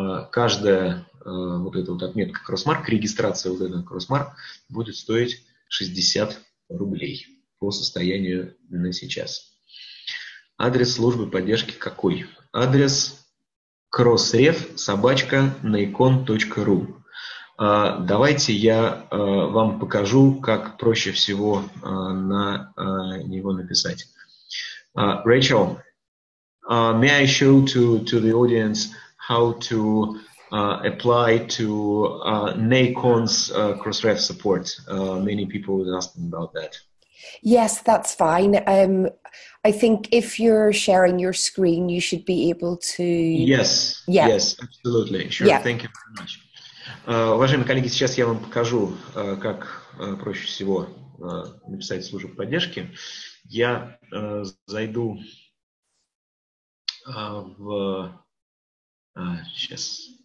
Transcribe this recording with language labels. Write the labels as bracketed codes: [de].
[ru] Каждая вот эта вот отметка CrossMark, регистрация вот этого CrossMark будет стоить 60 рублей по состоянию на сейчас. Адрес службы поддержки какой? Адрес crossref@nikon.ru. Давайте я вам покажу, как проще всего на него написать. [en] Rachel, may I show to the audience how to apply to Nikon's Crossref support? Many people were asking about that. Yes, that's fine. I think if you're sharing your screen, you should be able to... Yes, yeah. Yes, absolutely. Sure, yeah. Thank you very much. [ru] Уважаемые коллеги, сейчас я вам покажу, как проще всего написать службу поддержки. Я зайду в... сейчас.